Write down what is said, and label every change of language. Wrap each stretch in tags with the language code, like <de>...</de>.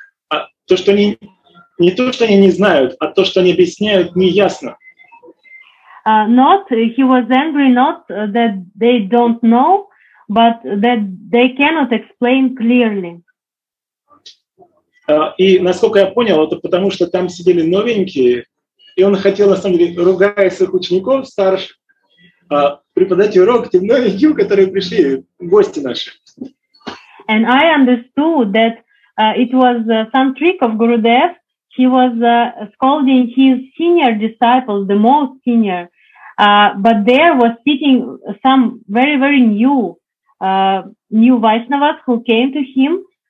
<ru>А то что они не то что они не знают, а то что они объясняют неясно.</ru> <en>He was angry not that they don't know, but that they cannot explain clearly.</en> <ru>И насколько я понял, это потому что там сидели новенькие, и он хотел, на самом деле, ругая своих учеников старших, преподать урок тем новеньким, которые пришли, гости наши.</ru> <en>And I understood that it was some trick of Gurudev. He was scolding his senior disciples, the most senior. But there was sitting some very, very new Vaishnavas who came to him.</en>